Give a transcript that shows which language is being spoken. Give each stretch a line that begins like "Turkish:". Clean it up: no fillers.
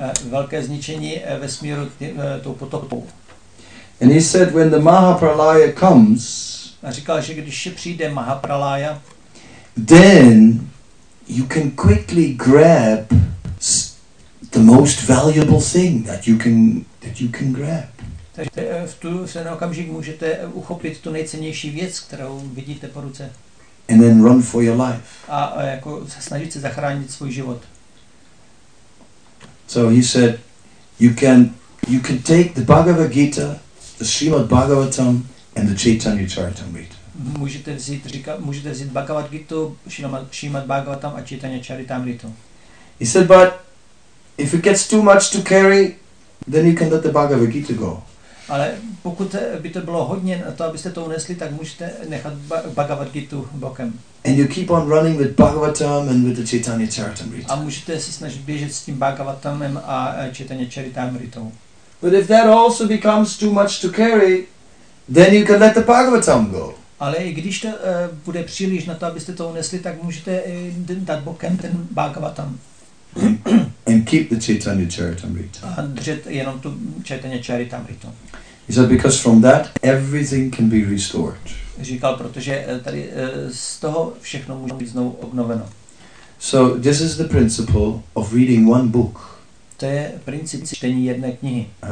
Czech: Velké zničení vesmíru tou potopou.
English: And he said when the Mahapralaya comes,
Czech: a říkal, že když přijde Mahapralaya,
English: then you can quickly grab the most valuable thing that you can grab.
Czech: Takže v tu se na okamžik můžete uchopit tu nejcennější věc, kterou vidíte po ruce.
English: And then run for your life.
Czech: A jako snažit se zachránit svůj život.
English: So he said, you can take the Bhagavad Gita, the Srimad Bhagavatam and the Chaitanya Charitamrita.
Czech: Můžete vzít Bhagavad Gita, Srimad Bhagavatam a Chaitanya Charitamrita.
English: He said, but if it gets too much to carry, then you can let the Bhagavad Gita go.
Czech: Ale pokud by to bylo hodně na to, abyste to unesli, tak můžete nechat Bhagavad Gitu bokem.
English: And you keep on running with Bhagavatam and with the Chaitanya Charitamrita.
Czech: A můžete se snažit běžet s tím Bhagavatamem a Chaitanya Charitamritou.
English: But if that also becomes too much to carry, then you can let the Bhagavatam go.
Czech: Ale i když to bude příliš na to, abyste to unesli, tak můžete dát bokem ten Bhagavatam.
English: And keep the Chaitanya Charitamrita.
Czech: A držet jenom tu Chaitanya Charitamrita.
English: He said, because from that everything can be restored.
Czech: Říkal, protože tady z toho všechno může být znovu obnoveno.
English: So this is the principle of reading one book.
Czech: To je princip čtení jedné knihy.